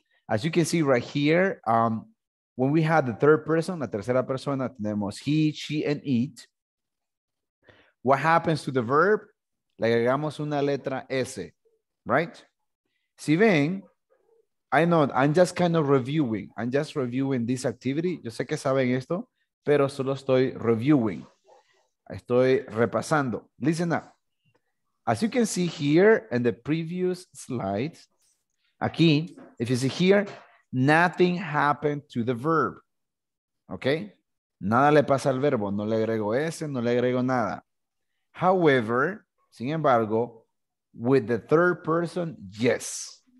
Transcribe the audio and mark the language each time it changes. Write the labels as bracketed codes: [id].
[en] As you can see right here, when we had the third person, [es] la tercera persona, tenemos [en] he, she, and it. What happens to the verb? [es] Le agregamos una letra S, [en] right? [es] Si ven, [en] I know, I'm just reviewing this activity. [es] Yo sé que saben esto, pero solo estoy reviewing. Estoy repasando. [en] Listen up. As you can see here in the previous slide, aquí, if you see here, nothing happened to the verb. Okay? [es] Nada le pasa al verbo. No le agrego S, no le agrego nada. [en] However, [es] sin embargo, [en] with the third person, yes.